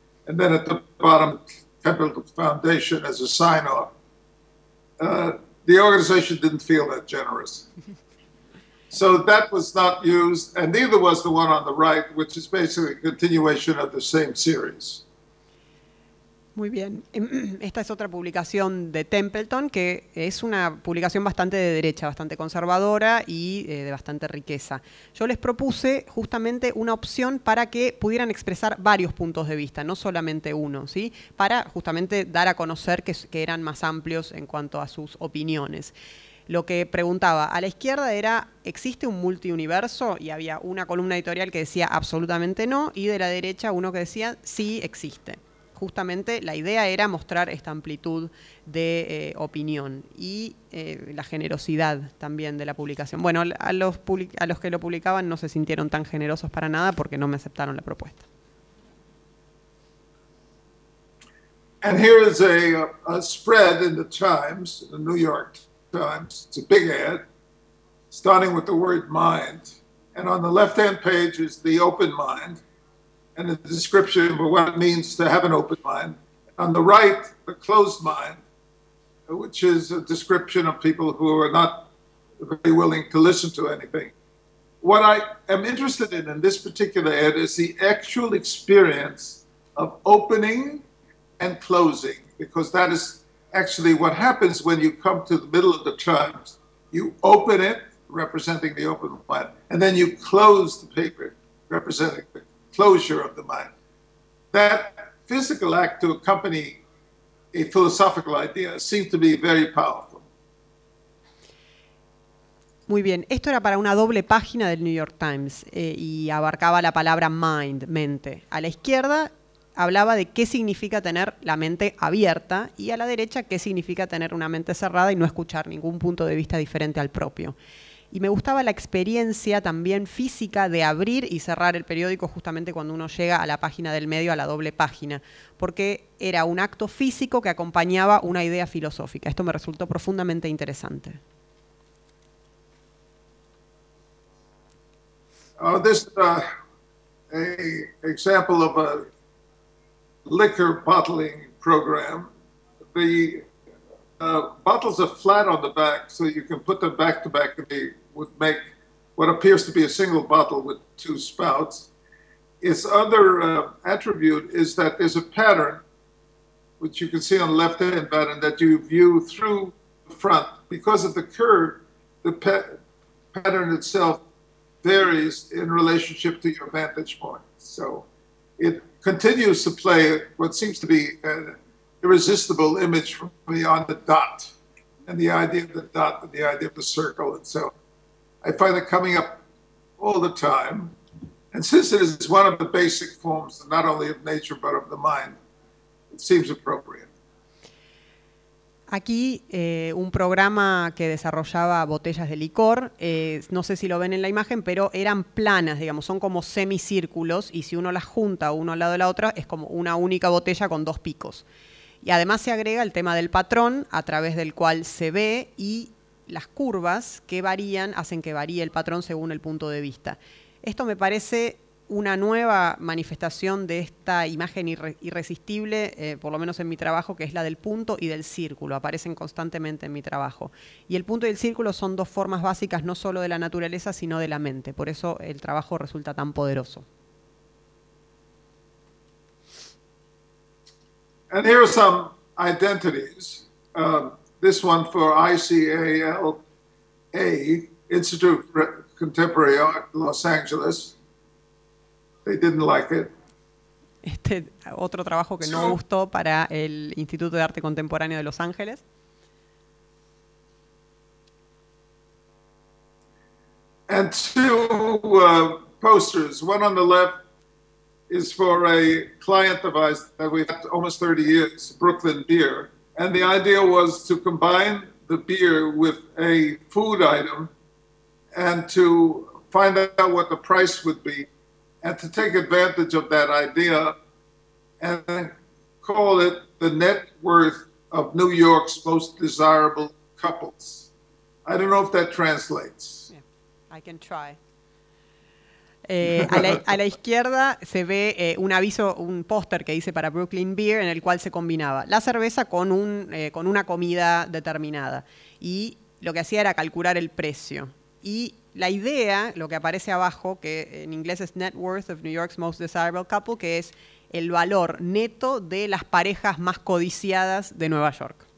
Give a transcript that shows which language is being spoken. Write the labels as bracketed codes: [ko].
[en] And then at the bottom, Templeton Foundation as a sign-off. The organization didn't feel that generous. So that was not used, and neither was the one on the right, which is basically a continuation of the same series. [es] Muy bien. Esta es otra publicación de Templeton, que es una publicación bastante de derecha, bastante conservadora y de bastante riqueza. Yo les propuse justamente una opción para que pudieran expresar varios puntos de vista, no solamente uno, ¿sí? Para justamente dar a conocer que eran más amplios en cuanto a sus opiniones. Lo que preguntaba a la izquierda era, ¿existe un multiuniverso? Y había una columna editorial que decía absolutamente no, y de la derecha uno que decía, sí, existe. Justamente la idea era mostrar esta amplitud de opinión y la generosidad también de la publicación. Bueno, a los que lo publicaban no se sintieron tan generosos para nada porque no me aceptaron la propuesta. [en] And here is a spread in the Times, the New York Times. It's a big ad, starting with the word mind. And on the left-hand page is the open mind. And the description of what it means to have an open mind. On the right, the closed mind, which is a description of people who are not very willing to listen to anything. What I am interested in this particular ad is the actual experience of opening and closing, because that is actually what happens when you come to the middle of the Times. You open it, representing the open mind, and then you close the paper, representing the closure of the mind. That physical act to accompany a philosophical idea seemed to be very powerful. [es] Muy bien, esto era para una doble página del New York Times y abarcaba la palabra mind, mente. A la izquierda hablaba de qué significa tener la mente abierta y a la derecha qué significa tener una mente cerrada y no escuchar ningún punto de vista diferente al propio. Y me gustaba la experiencia también física de abrir y cerrar el periódico justamente cuando uno llega a la página del medio, a la doble página, porque era un acto físico que acompañaba una idea filosófica. Esto me resultó profundamente interesante. [en] This is an example of a liquor bottling program. The bottles are flat on the back, so you can put them back to back and would make what appears to be a single bottle with two spouts. Its other attribute is that there's a pattern, which you can see on the left-hand pattern, that you view through the front. Because of the curve, the pattern itself varies in relationship to your vantage point. So it continues to play what seems to be an irresistible image from beyond the dot, and the idea of the dot and the idea of the circle itself. I find it coming up all the time. And since it is one of the basic forms, not only of nature, but of the mind, it seems appropriate. [es] Aquí un programa que desarrollaba botellas de licor. No sé si lo ven en la imagen, pero eran planas, digamos, son como semicírculos. Y si uno las junta uno al lado de la otra, es como una única botella con dos picos. Y además se agrega el tema del patrón a través del cual se ve y las curvas que varían hacen que varíe el patrón según el punto de vista. Esto me parece una nueva manifestación de esta imagen irresistible, por lo menos en mi trabajo, que es la del punto y del círculo. Aparecen constantemente en mi trabajo. Y el punto y el círculo son dos formas básicas, no solo de la naturaleza, sino de la mente. Por eso el trabajo resulta tan poderoso. [en] And here are some identities. This one for ICALA, Institute for Contemporary Art, Los Angeles. They didn't like it. [es] Este otro trabajo que no gustó para el Instituto de Arte Contemporáneo de Los Ángeles. [en] And two posters. One on the left is for a client of ours that we've had almost 30 years, Brooklyn Beer. And the idea was to combine the beer with a food item and to find out what the price would be and to take advantage of that idea and call it the net worth of New York's most desirable couples. I don't know if that translates. Yeah, I can try. [es] A la izquierda se ve un aviso, un póster que dice para Brooklyn Beer, en el cual se combinaba la cerveza con una comida determinada. Y lo que hacía era calcular el precio. Y la idea, lo que aparece abajo, que en inglés es [en] Net Worth of New York's Most Desirable Couple, [es] que es el valor neto de las parejas más codiciadas de Nueva York.